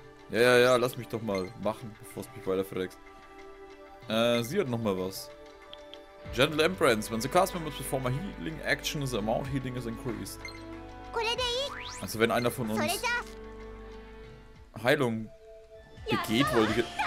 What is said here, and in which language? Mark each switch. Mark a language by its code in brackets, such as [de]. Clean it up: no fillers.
[de] Ja, lass mich doch mal machen, bevor es mich weiter verreckst. Sie hat noch mal was. Gentle Embrance. [en] When the cast members perform a healing action, the amount healing is increased. [de] Also wenn einer von uns Heilung begeht, wollte ich...